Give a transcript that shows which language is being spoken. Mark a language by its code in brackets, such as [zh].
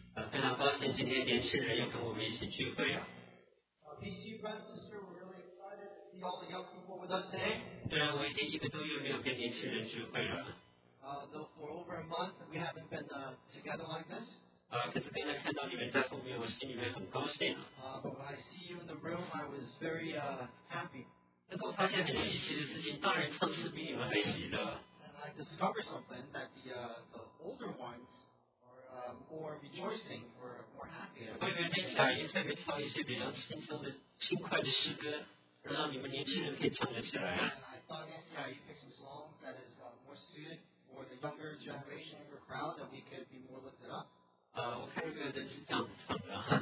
[zh] 非常高兴今天年轻人又跟我们一起聚会啊。虽然我已经一个多月没有跟年轻人聚会了。可是刚才看到你们在后面，我心里面很高兴啊。 [en] But when I see you in the room, I was very happy. [zh] 但是我发现很稀奇的事情，大人唱诗比你们还喜乐。 [en] I discovered something that the older ones are more rejoicing, or more happy. [zh] 会不会接下来也特别挑一些比较轻松的、轻快的诗歌，让你们年轻人可以唱得起来啊 [en] ？I thought, yeah, you pick some song that is more suited for the younger generation, younger crowd, that we could be more lifted up. [zh] 我看这个人是这样子唱的。